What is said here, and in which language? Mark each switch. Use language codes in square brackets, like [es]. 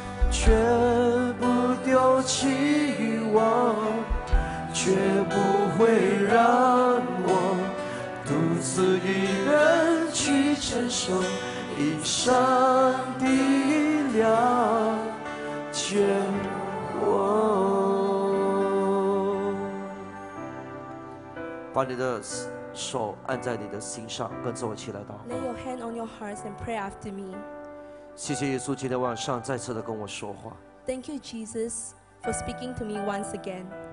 [zh] 绝不丢弃我，绝不会让我独自一人去承受，因上帝了解我。把你的手按在你的心上，跟着我一起来祷告。 [en] Lay your hand on your hearts and pray after me. [zh] 谢谢耶稣，今天晚上再次的跟我说话。 [en] Thank you, Jesus, for speaking to me once again.